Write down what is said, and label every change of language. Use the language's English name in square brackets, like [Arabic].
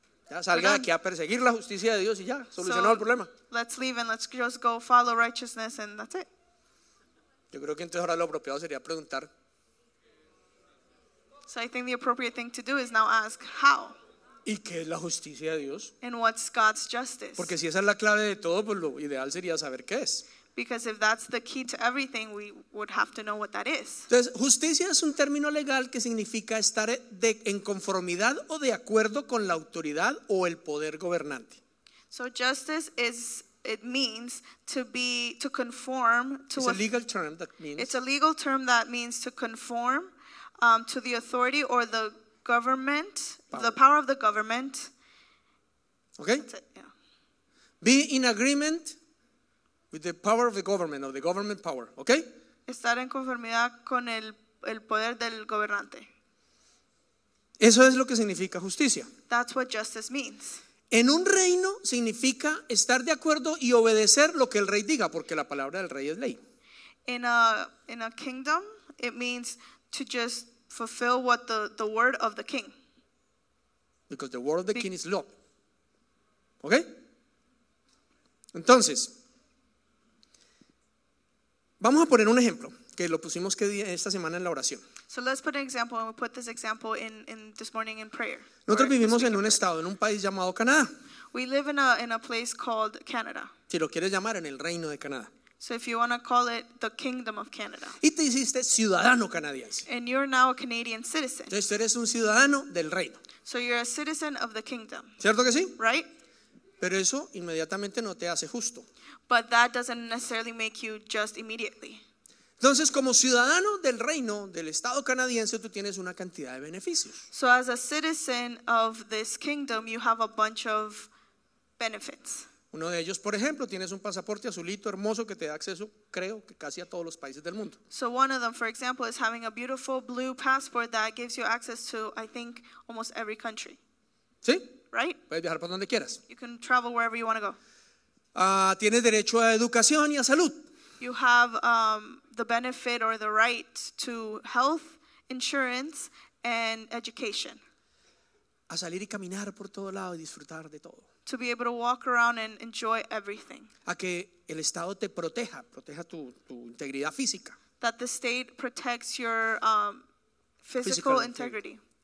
[Spanish] Ya salga aquí a perseguir la justicia de Dios y ya, solucionado [English] so, [Spanish] el problema. [English] Let's leave and let's just go follow righteousness and that's it. [Spanish] Yo creo que entonces ahora lo apropiado sería preguntar. [English] So I think the appropriate thing to do is now ask how. [Spanish] ¿Y qué es la justicia de Dios? [English] And what's God's justice? [Spanish] Porque si esa es la clave de todo, pues lo ideal sería saber qué es. [English] Because if that's the key to everything, we would have to know what that is. [Spanish] Entonces, justicia es un término legal que significa estar en conformidad o de acuerdo con la autoridad o el poder gobernante. [English] So justice means to conform to. It's a legal term that means. It's a legal term that means to conform to the authority or the government, power. The power of the government. Okay. That's it, yeah. Be in agreement with the power of the government, or the government power, okay? [Spanish] Estar en conformidad con el poder del gobernante. Eso es lo que significa justicia. [English] That's what justice means. [Spanish] En un reino significa estar de acuerdo y obedecer lo que el rey diga, porque la palabra del rey es ley. [English] In a kingdom, it means to just fulfill what the word of the king. Because the word of the king is law. Okay? [Spanish] Entonces, vamos a poner un ejemplo que lo pusimos esta semana en la oración. [English] So let's put an example and we put this example in this morning in prayer. [Spanish] Nosotros vivimos en un estado, en un país llamado Canadá. [English] We live in a place called Canada. [Spanish] Si lo quieres llamar en el Reino de Canadá. [English] So if you want to call it the Kingdom of Canada. [Spanish] Y te hiciste ciudadano canadiense. [English] And you're now a Canadian citizen. [Spanish] Entonces tú eres un ciudadano del reino. [English] So you're a citizen of the kingdom. [Spanish] ¿Cierto que sí? [English] Right? [Spanish] Pero eso inmediatamente no te hace justo. [English] But that doesn't necessarily make you just immediately. [Spanish] Entonces, como ciudadano del reino, del estado canadiense, tú tienes una cantidad de beneficios. [English] So as a citizen of this kingdom, you have a bunch of benefits. [Spanish] Uno de ellos, por ejemplo, tienes un pasaporte azulito hermoso que te da acceso, creo, que casi a todos los países del mundo. [English] So one of them, for example, is having a beautiful blue passport that gives you access to, I think, almost every country. [Spanish] ¿Sí? [English] Right? [Spanish] Puedes viajar por donde quieras. [English] You can travel wherever you want to go. [Spanish] Tienes derecho a educación y a salud. [English] You have the benefit or the right to health insurance and education. [Spanish] A salir y caminar por todo lado y disfrutar de todo. [English] To be able to walk around and enjoy everything. [Spanish] A que el Estado te proteja, proteja tu, tu integridad física. [English] That the state protects your physical integrity.